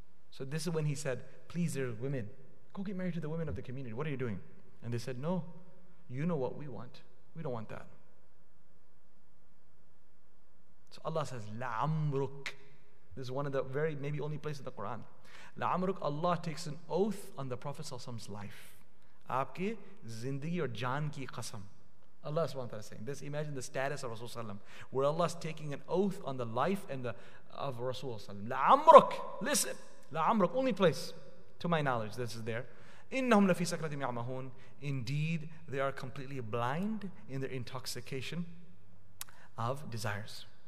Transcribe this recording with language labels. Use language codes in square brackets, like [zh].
[en] So this is when he said, "Please, there are women. Go get married to the women of the community. What are you doing?" And they said, "No, you know what we want. We don't want that." So Allah says, [ar] "La amruk." [en] This is one of the very, maybe only places in the Quran. La amruk, Allah takes an oath on the Prophet ﷺ's life. [ur] آپکی زندگی اور جان کی قسم. [en] Allah subhanahu wa ta'ala is saying this. Imagine the status of Rasul ﷺ, where Allah is taking an oath on the life and of Rasul ﷺ. La amruk, listen. La amruk, only place, to my knowledge, this is there. [ar] Innahum lafi sakratim ya'mahun. [en] Indeed, they are completely blind in their intoxication of desires.